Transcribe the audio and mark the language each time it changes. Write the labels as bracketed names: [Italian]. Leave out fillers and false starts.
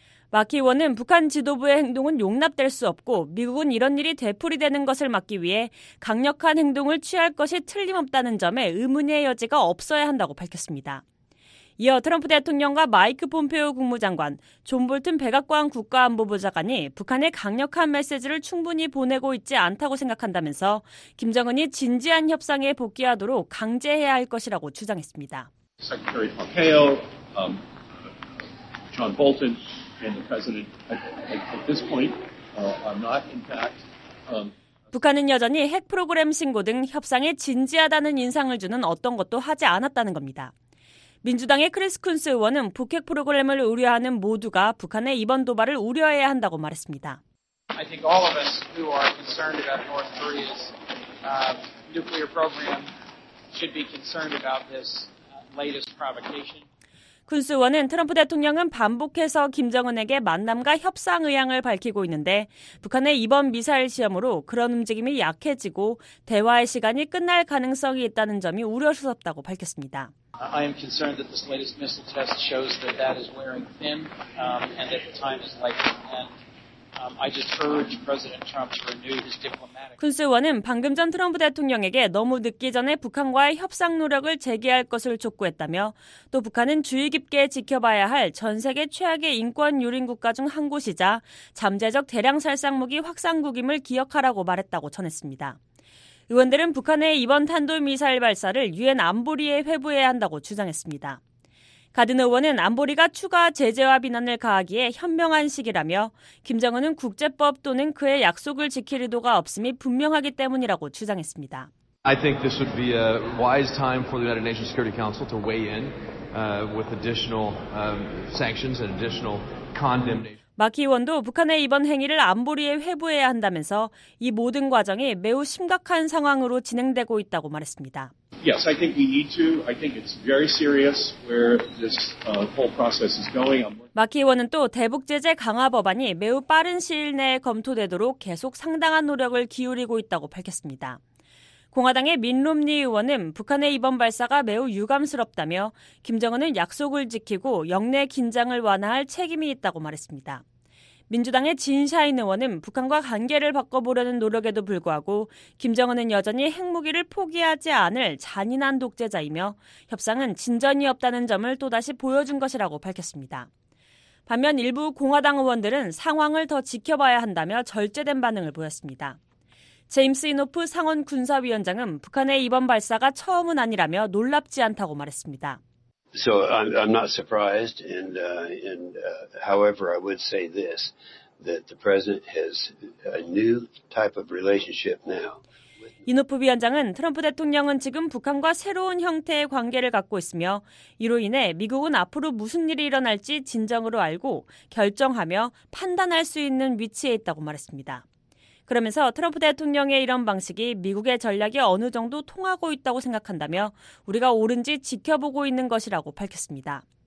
[Korean] 마키 의원은 북한 지도부의 행동은 용납될 수 없고 미국은 이런 일이 되풀이되는 것을 막기 위해 강력한 행동을 취할 것이 틀림없다는 점에 의문의 여지가 없어야 한다고 밝혔습니다. 이어 트럼프 대통령과 마이크 폼페오 국무장관, 존 볼튼 백악관 국가안보부장관이 북한에 강력한 메시지를 충분히 보내고 있지 않다고 생각한다면서 김정은이 진지한 협상에 복귀하도록 강제해야 할 것이라고 주장했습니다. [English] Secretary Pompeo, John Bolton and the President at this point are not in fact. [Korean] 북한은 여전히 핵 프로그램 신고 등 협상에 진지하다는 인상을 주는 어떤 것도 하지 않았다는 겁니다. 민주당의 크리스 쿤스 의원은 북핵 프로그램을 우려하는 모두가 북한의 이번 도발을 우려해야 한다고 말했습니다. [English] I think all of us who are concerned about North Korea's nuclear program should be concerned about this latest provocation. [Korean] 쿤스 의원은 트럼프 대통령은 반복해서 김정은에게 만남과 협상 의향을 밝히고 있는데 북한의 이번 미사일 시험으로 그런 움직임이 약해지고 대화의 시간이 끝날 가능성이 있다는 점이 우려스럽다고 밝혔습니다. [English] I am concerned that this latest missile test shows that that is wearing thin and that the time is likely to end. I just urge President Trump to renew his diplomatic. [Korean] 쿤스 의원은 방금 전 트럼프 대통령에게 너무 늦기 전에 북한과의 협상 노력을 재개할 것을 촉구했다며 또 북한은 주의 깊게 지켜봐야 할 전 세계 최악의 인권 유린 국가 중 한 곳이자 잠재적 대량 살상무기 확산국임을 기억하라고 말했다고 전했습니다. 의원들은 북한의 이번 탄도미사일 발사를 유엔 안보리에 회부해야 한다고 주장했습니다. 가드너 의원은 안보리가 추가 제재와 비난을 가하기에 현명한 시기라며 김정은은 국제법 또는 그의 약속을 지킬 의도가 없음이 분명하기 때문이라고 주장했습니다. [English] I think this would be a wise time for the United Nations Security Council to weigh in with additional sanctions and additional condemnation. [Korean] 마키 의원도 북한의 이번 행위를 안보리에 회부해야 한다면서 이 모든 과정이 매우 심각한 상황으로 진행되고 있다고 말했습니다. [English] Yes, I think we need to. I think it's very serious where this whole process is going. [Korean] 마키 의원은 또 대북 제재 강화 법안이 매우 빠른 시일 내에 검토되도록 계속 상당한 노력을 기울이고 있다고 밝혔습니다. 공화당의 민 롬니 의원은 북한의 이번 발사가 매우 유감스럽다며 김정은은 약속을 지키고 역내 긴장을 완화할 책임이 있다고 말했습니다. 민주당의 진샤인 의원은 북한과 관계를 바꿔보려는 노력에도 불구하고 김정은은 여전히 핵무기를 포기하지 않을 잔인한 독재자이며 협상은 진전이 없다는 점을 또다시 보여준 것이라고 밝혔습니다. 반면 일부 공화당 의원들은 상황을 더 지켜봐야 한다며 절제된 반응을 보였습니다. 제임스 이노프 상원 군사위원장은 북한의 이번 발사가 처음은 아니라며 놀랍지 않다고 말했습니다. [English] So I'm not surprised, however, I would say this: that the president has a new type of relationship now. [Korean] 이노프 위원장은 트럼프 대통령은 지금 북한과 새로운 형태의 관계를 갖고 있으며 이로 인해 미국은 앞으로 무슨 일이 일어날지 진정으로 알고 결정하며 판단할 수 있는 위치에 있다고 말했습니다. 그러면서 트럼프 대통령의 이런 방식이 미국의 전략이 어느 정도 통하고 있다고 생각한다며 우리가 옳은지 지켜보고 있는 것이라고 밝혔습니다.